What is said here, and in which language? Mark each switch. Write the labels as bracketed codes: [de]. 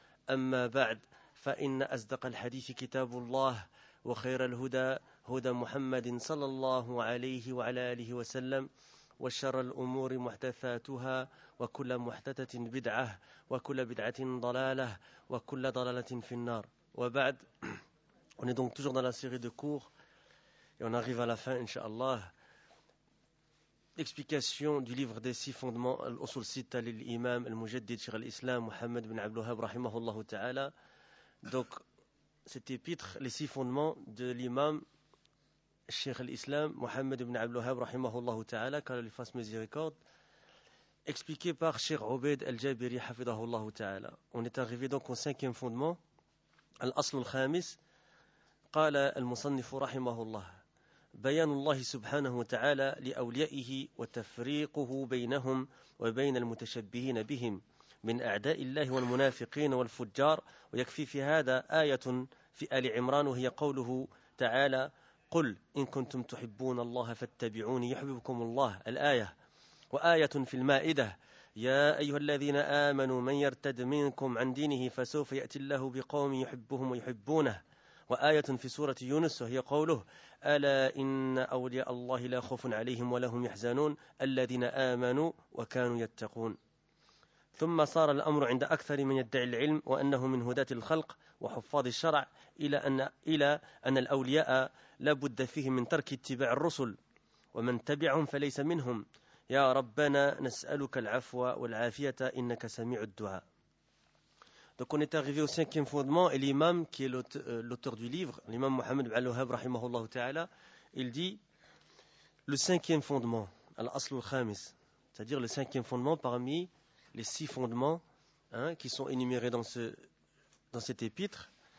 [ar] أما بعد، فإن أصدق الحديث كتاب الله وخير الهدى هدى محمد صلى الله عليه وعلى آله وسلم، وشر الأمور محدثاتها وكل محدثة بدعة وكل بدعة ضلالة وكل ضلالة في النار. [fr] وبعد، on est donc toujours dans la série de cours et on arrive à la fin inshallah. Explication du livre des six fondements, al-usul sita lil imam al-mujaddid shir al-islam Muhammad bin Abdul Wahhab rahimahullah ta'ala. Donc cet épître, les six fondements de l'imam shir al-islam Muhammad bin Abdul Wahhab rahimahullah ta'ala, qu'Allah lui fasse miséricorde, expliqué par shir Ubayd al-Jabiri hafidahullah ta'ala. On est arrivé donc au cinquième fondement, al-asl al-khamis, [ar] qala al-musannif rahimahullah. بيان الله سبحانه وتعالى لأوليائه وتفريقه بينهم وبين المتشبهين بهم من أعداء الله والمنافقين والفجار. ويكفي في هذا آية في آل عمران، وهي قوله تعالى: قل إن كنتم تحبون الله فاتبعوني يحببكم الله، الآية. وآية في المائدة: يا أيها الذين آمنوا من يرتد منكم عن دينه فسوف يأتي الله بقوم يحبهم ويحبونه. وآية في سورة يونس، وهي قوله: ألا إن أولياء الله لا خوف عليهم ولا هم يحزنون الذين آمنوا وكانوا يتقون. ثم صار الأمر عند أكثر من يدعي العلم وأنه من هداة الخلق وحفاظ الشرع إلى أن الأولياء لابد فيهم من ترك اتباع الرسل، ومن تبعهم فليس منهم. يا ربنا نسألك العفو والعافية إنك سميع الدعاء. [fr] Donc on est arrivé au cinquième fondement, et l'imam, qui est l'auteur du livre, l'imam Muhammad ibn al-Wahhab rahimahullah ta'ala, il dit le cinquième fondement, al-asl al-khamis, c'est-à-dire le cinquième fondement parmi les six fondements qui sont énumérés dans cet épître.